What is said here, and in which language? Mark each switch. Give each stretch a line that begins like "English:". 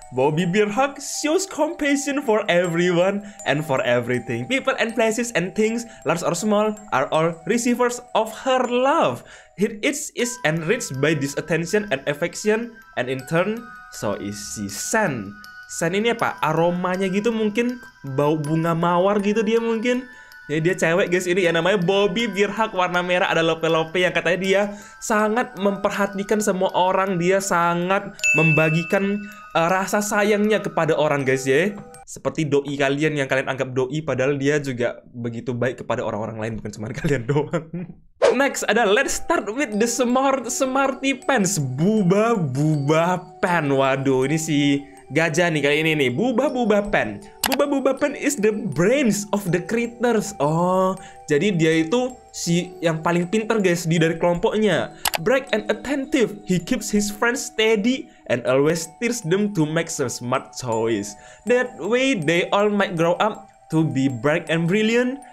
English: Bobby Bearhug shows compassion for everyone and for everything. People and places and things, large or small, are all receivers of her love. It is enriched by this attention and affection, and in turn, so is she sent.
Indonesian: Sen ini apa? Aromanya gitu mungkin? Bau bunga mawar gitu dia mungkin? Jadi dia cewek guys, ini ya namanya Bobby Birhak, warna merah, ada lope-lope yang katanya dia sangat memperhatikan semua orang, dia sangat membagikan rasa sayangnya kepada orang guys ya. Seperti doi kalian yang kalian anggap doi, padahal dia juga begitu baik kepada orang-orang lain, bukan cuma kalian doang.
English: Next ada let's start with the smart smarty pants, buba buba pen.
Indonesian: Waduh, ini si gajah nih kali ini nih, buba buba pen.
English: Buba buba pen is the brains of the critters.
Indonesian: Oh, jadi dia itu si yang paling pinter guys di dari kelompoknya.
English: Bright and attentive, he keeps his friends steady and always steers them to make some smart choice. That way they all might grow up to be bright and brilliant.